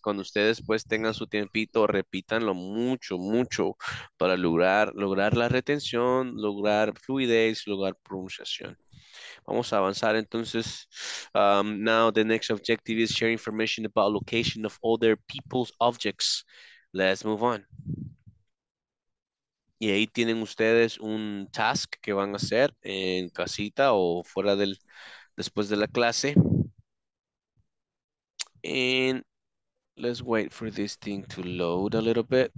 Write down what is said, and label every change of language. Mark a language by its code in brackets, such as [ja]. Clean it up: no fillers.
[es] Cuando ustedes pues tengan su tiempito, repítanlo mucho, mucho para lograr la retención, lograr fluidez, lograr pronunciación. Vamos a avanzar entonces. [en] Now the next objective is share information about location of other people's objects. Let's move on. [es] Y ahí tienen ustedes un task que van a hacer en casita o fuera del después de la clase. [en] And let's wait for this thing to load a little bit.